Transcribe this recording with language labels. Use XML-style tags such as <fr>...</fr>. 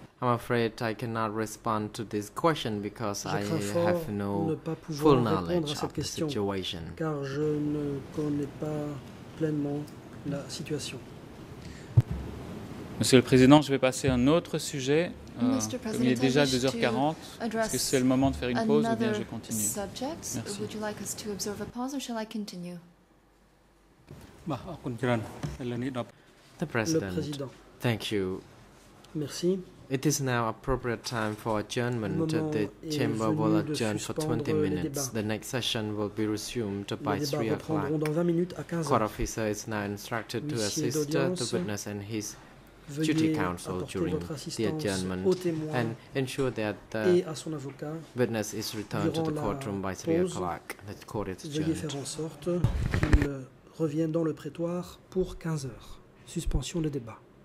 <en>I'm afraid I cannot respond to this question because I have no full knowledge of the situation.</en> <fr>Car je ne connais pas pleinement la situation. Monsieur le Président, je vais passer à un autre sujet. Comme il est déjà 2h40, est-ce que c'est le moment de faire une pause ou bien je continue? Merci.</fr> <en>Would you like us to observe a pause or shall I continue? The President. Thank you.</en> <fr>Merci.</fr> <en>It is now appropriate time for adjournment. The chamber will adjourn for 20 minutes. The next session will be resumed by 3 o'clock. Court officer is now instructed to assist the witness and his duty counsel during the adjournment and ensure that the witness is returned to the courtroom by 3 o'clock. The court is adjourned.</en> <fr>Veuillez faire en sorte qu'il revienne dans le prétoire pour 15 heures. Suspension de débat.</fr>